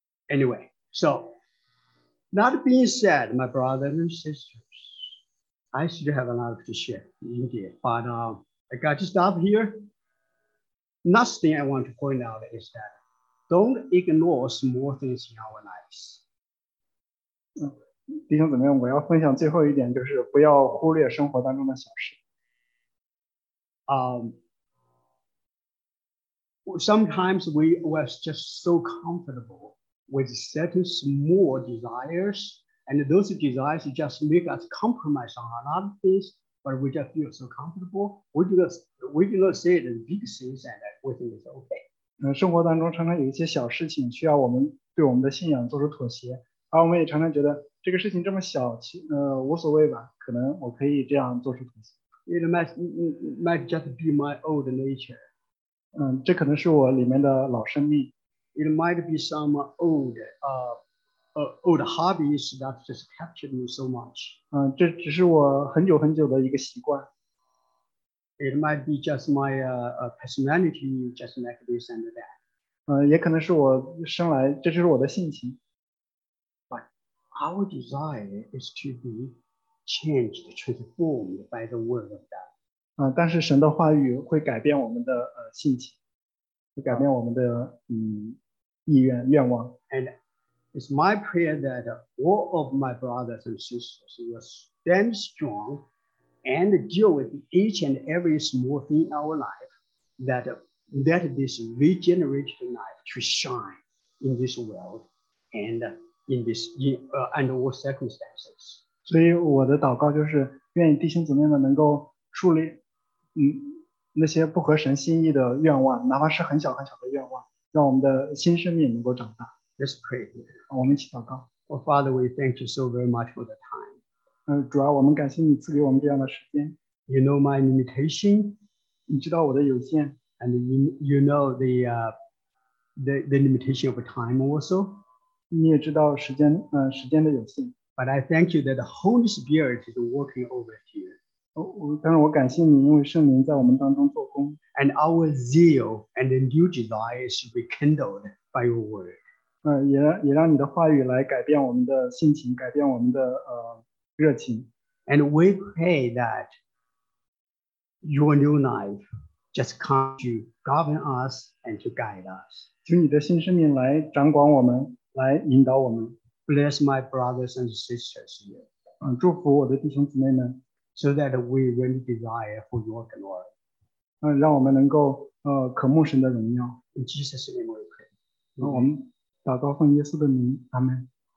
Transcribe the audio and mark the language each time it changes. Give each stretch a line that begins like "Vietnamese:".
English: Anyway, so that being said, my brothers and sisters, I should have a lot to share indeed, but I got to stop here. Last thing I want to point out is that don't ignore small things in our lives.
Chinese: 弟兄姊妹，我要分享最后一点，就是不要忽略生活当中的小事。
English: Sometimes we were just so comfortable with certain small desires, and those desires just make us compromise on a lot of things, but we just feel so comfortable. We do not say the big things, and we think it's okay.
Chinese: 生活当中常常有一些小事情需要我们对我们的信仰做出妥协，而我们也常常觉得这个事情这么小，无所谓吧，可能我可以这样做出妥协。
English: It might just be my old nature.
Chinese: 这可能是我里面的老生命。
English: It might be some old hobbies that just captured me so much.
Chinese: 这只是我很久很久的一个习惯。
English: It might be just my personality, just like this and that.
Chinese: 也可能是我生来，这就是我的性情。
English: Our desire is to be changed, transformed by the word of God.
Chinese: 但是神的话语会改变我们的性情，会改变我们的意愿愿望。
English: And it's my prayer that all of my brothers and sisters will stand strong and deal with each and every small thing in our life that let this regenerated life to shine in this world and. In all circumstances.
Chinese: 所以我的祷告就是愿意弟兄姊妹们能够树立那些不合神心意的愿望，哪怕是很小很小的愿望，让我们的新生命能够长大。
English: Let's pray.
Chinese: 我们一起祷告。
English: Oh, Father, we thank you so very much for the time.
Chinese: 主啊，我们感谢你赐给我们这样的时间。
English: You know my limitation.
Chinese: 你知道我的有限。
English: And you know the limitation of time also.
Chinese: 你也知道时间，时间的有限。
English: But I thank you that the Holy Spirit is working over here.
Chinese: 但是我感谢你，因为圣灵在我们当中做工。
English: And our zeal and the new desire is rekindled by your word.
Chinese: 也让你的话语来改变我们的性情，改变我们的热情。
English: And we pray that your new life just come to govern us and to guide us.
Chinese: 请你的新生命来掌管我们。来引导我们。
English: Bless my brothers and sisters here.
Chinese: 祝福我的弟兄姊妹们。
English: So that we really desire for your glory.
Chinese: 让我们能够渴慕神的荣耀。
English: In Jesus' name we pray.
Chinese: 我们祷告奉耶稣的名，阿门。